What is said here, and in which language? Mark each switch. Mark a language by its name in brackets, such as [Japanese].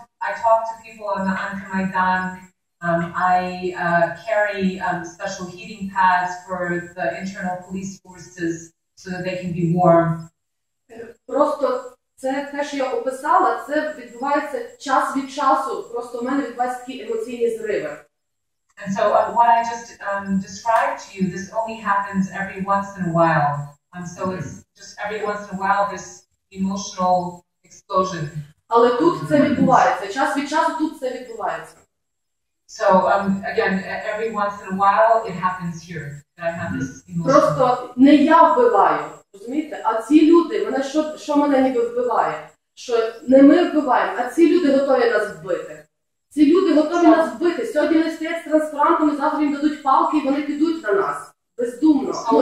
[English] I talk to people on the anti-Maidan. I carry special heating pads for the internal police forces so that they can be warm. [Ukrainian] Просто це те, що я описала, це відбувається час від часу. Просто у мене відбуваються такі емоційні зриви. [English] And so what I just described to you, this only happens every once in a while. So it's just every once in a while this emotional explosion. [Ukrainian] Але тут це відбувається. Час від часу тут це відбувається. [English] So, again, every once in a while it happens here that I have this emotional. [Ukrainian] Просто не я вбиваю, розумієте? А ці люди, мене що мене ніби вбиває? Що не ми вбиваємо, а ці люди готові нас вбити. Ці люди готові нас вбити. Сьогодні вони стоять з транспарантами, завтра їм дадуть палки і вони підуть на нас. Бездумно.